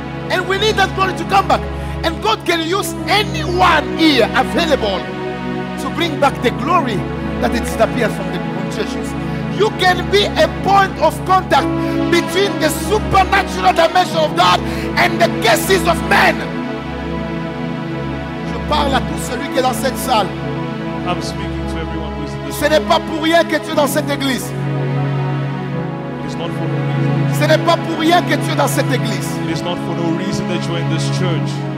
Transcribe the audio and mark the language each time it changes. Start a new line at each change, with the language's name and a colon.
English: And we need that glory to come back. And God can use anyone here available to bring back the glory that it disappeared from the churches. You can be a point of contact between the supernatural dimension of God and the cases of men.
French: Je parle à tout celui qui est dans cette salle.
English: I'm speaking to everyone who is in this.
French: Ce n'est pas pour rien que tu es dans cette église.
English: It's not for no reason.
French: Ce n'est pas pour rien que tu es dans cette église.
English: It's not for no reason that you're in this church.